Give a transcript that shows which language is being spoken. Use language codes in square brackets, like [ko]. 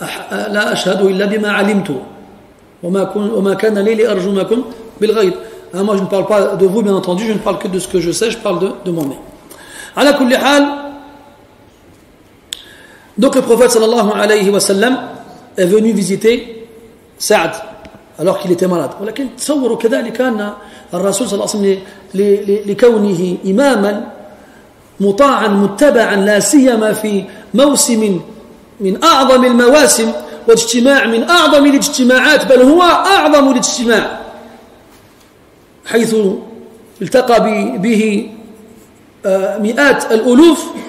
[ar] لا أشهد إلا بما علمت وما كان لي لأرجمكم بالغيب. [fr] Moi je ne parle pas de vous, bien entendu, je ne parle que de ce que je sais, je parle de moi-même. [ar] على كل حال, [fr] donc le prophète sallallahu alayhi wa sallam est venu visiter Sa'd alors qu'il était malade. [ar] ولكن تصوروا كذلك أن الرسول صلى الله عليه وسلم لكونه إماما مطاعا متبعا لا سيما في موسم من أعظم المواسم واجتماع من أعظم الاجتماعات بل هو أعظم الاجتماع حيث التقى به مئات الألوف